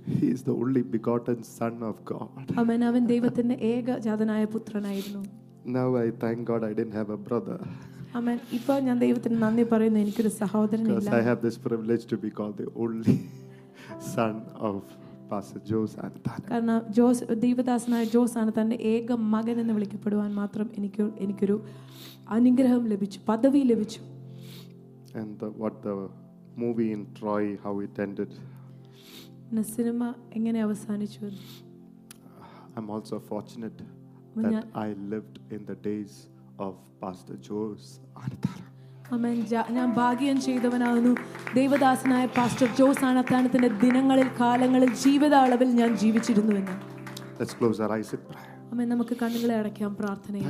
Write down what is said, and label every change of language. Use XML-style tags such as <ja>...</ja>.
<en>He is the only begotten son of God.</en> <ml>അമ്മേ, അവൻ ദൈവത്തിന്റെ ഏകജാതനായ പുത്രനായിരുന്നു.</ml> <en>Now I thank God I didn't have a brother.</en> <ml>അമ്മേ, ഇപ്പോ ഞാൻ ദൈവത്തിന് നന്ദി പറയുന്നു, എനിക്കൊരു സഹോദരൻ ഇല്ല.</ml> <en>Because I have this privilege to be called the only son of Pastor Joe Santana.</en> <ml>കാരണം ജോസ് ദേവദാസനായ ജോസ് ആനത്താന്റെ ഏക മകൻ എന്ന് വിളിക്കപ്പെടുവാൻ മാത്രം എനിക്കൊരു അനുഗ്രഹം ലഭിച്ചു, പദവി ലഭിച്ചു.</ml> <en>And the, what the movie in Troy, how it ended.</en> <ml>ന സിനിമ എങ്ങനെ അവസാനിച്ചു?</ml> <en>I'm also fortunate that I lived in the days of Pastor Joe's Anathana.</en> <ml>ഞാൻ ഭാഗ്യം ചെയ്തവനാകുന്നു, ദൈവദാസനായ പാസ്റ്റർ ജോസ് ആനത്താനത്തിന്റെ ദിനങ്ങളിൽ കാലങ്ങളിൽ ജീവിതാളവിൽ ഞാൻ ജീവിച്ചിരുന്നു എന്ന്.</ml> <en>Let's close our eyes in prayer.</en> <ml>അമ്മേ, നമുക്ക് കണ്ണുകളെ അടയ്ക്കാം പ്രാർത്ഥനയിൽ.</ml>